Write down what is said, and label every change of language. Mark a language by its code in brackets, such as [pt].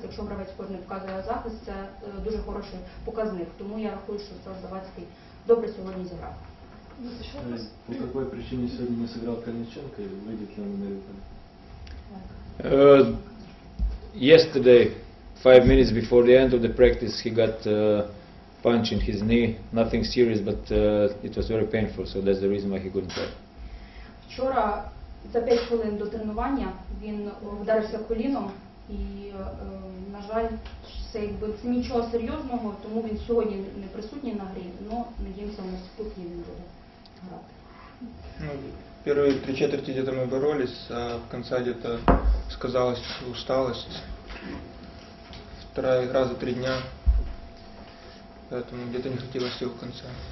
[uk] Якщо гравець кожний показує захист, це дуже хороший показник. Тому я рахую, що Стас Завадський добре сьогодні зіграв. [ru] По какой причине сегодня не сыграл Кальниченко и выйдет ли он на ритм? [en] Yesterday, 5 minutes before the end of the practice, he got a punch in his knee. Nothing serious, but it was very painful, so that's the reason why he couldn't play. [uk] Вчора за 5 хвилин до тренування він вдарився коліном і, на жаль, це нічого серйозного, тому він сьогодні не присутній на грі, але надіємося, що наступний він буде. [ru] Ну, первые 3/4 где-то мы боролись, а в конце где-то сказалась усталость. Вторая игра за 3 дня, поэтому где-то не хотелось его в конце.